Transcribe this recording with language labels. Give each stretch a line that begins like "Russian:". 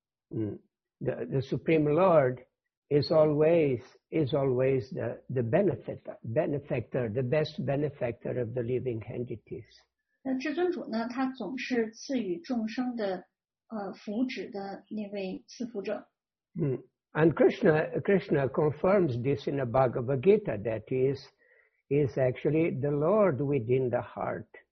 English: The Supreme Lord is always the benefactor, the best benefactor of the living entities.
Chinese: 那至尊主呢，他总是赐予众生的福祉的那位赐福者。
English: And Krishna confirms this in the Bhagavad Gita that he is actually the Lord within the heart.